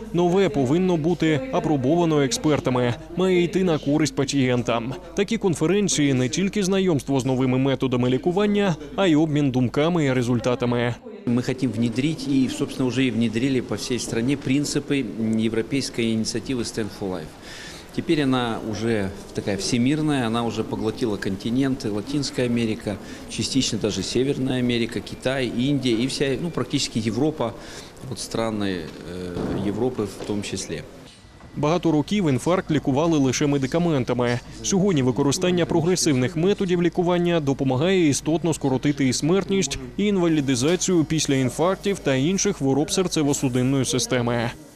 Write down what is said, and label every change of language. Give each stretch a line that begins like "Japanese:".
Ukrainian: Нове повинно бути апробовано експертами, має йти на користь пацієнтам. Такі конференції – не тільки знайомство з новими методами лікування, а й обмін думками і результатами. Ми хочемо внедрити і, власне, вже і внедрили по всій країні принципи європейської ініціативи «Stand for Life».
Russian: Теперь она уже такая всемирная, она уже поглотила континенты, Латинская Америка, частично даже Северная Америка, Китай, Индия и вся, ну, практически Европа, вот страны Европы в том числе.
Ukrainian: Багато років інфаркт лікували лише медикаментами. Сьогодні використання прогресивних методів лікування допомагає істотно скоротити і смертність, і інвалідизацію після інфарктів та інших хвороб серцево-судинної системи.